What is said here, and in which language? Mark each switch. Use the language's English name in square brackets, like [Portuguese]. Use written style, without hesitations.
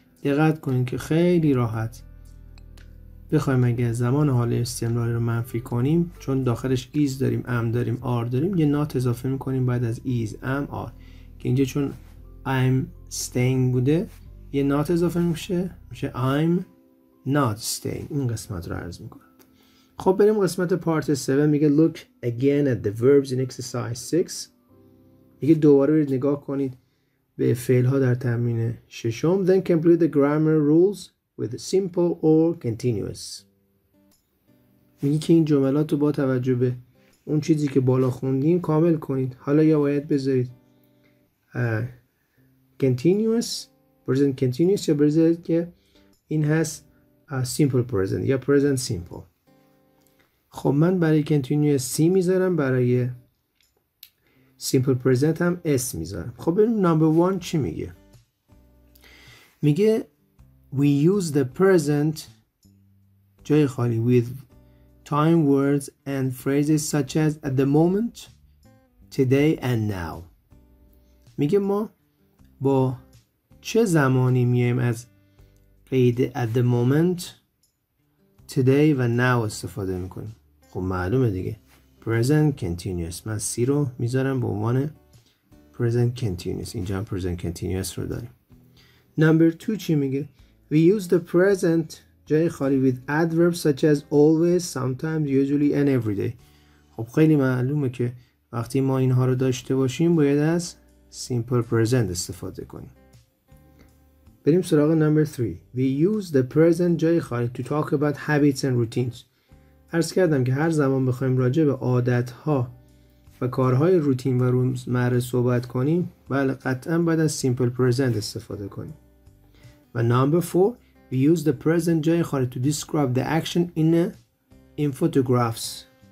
[Persian] دقت کنید که خیلی راحت بخوایم اگه زمان حال استمراری رو منفی کنیم، چون داخلش is داریم، am داریم، are داریم، یه not اضافه میکنیم بعد از is، am، are، که اینجا چون [English] I'm staying [Persian] بوده یه not اضافه میشه، میشه [English] I'm not staying. [Persian] این قسمت رو عرض میکنم. خب بریم قسمت part 7. میگه [English] look again at the verbs in exercise 6. [Persian] میگه دوباره برید نگاه کنید به فعل ها در تمرین ششم. [English] Then complete the grammar rules with simple or continuous. [Persian] میگه که این جملات رو با توجه به اون چیزی که بالا خوندیم کامل کنید. حالا یا باید بذارید continuous present continuous یا بذارید که این هست simple present یا present simple. خب من برای continuous C میذارم، برای simple present هم S میذارم. خب ببینیم number one چی میگه. میگه [English] we use the present [Persian] جای خالی [English] with time words and phrases such as at the moment, today and now. [Persian] میگه ما با چه زمانی میایم از قید at the moment, today و now استفاده میکنیم؟ خب معلومه دیگه present continuous. من C رو میذارم به عنوان present continuous. اینجا هم present continuous رو داریم. [English] number 2 [Persian] چی میگه؟ [English] We use the present [Persian] جای خالی [English] with adverbs such as always, sometimes, usually and every day. [Persian] خب خیلی معلومه که وقتی ما اینها رو داشته باشیم باید از simple present استفاده کنیم. بریم سراغ number 3. [English] We use the present [Persian] جای خالی [English] to talk about habits and routines. [Persian] عرض کردم که هر زمان بخوایم راجع به عادت‌ها و کارهای روتین و روزمره صحبت کنیم، بله قطعاً باید از simple present استفاده کنیم. [English] و number 4. We use the present [Persian] جای خالی [English] to describe the action in photographs.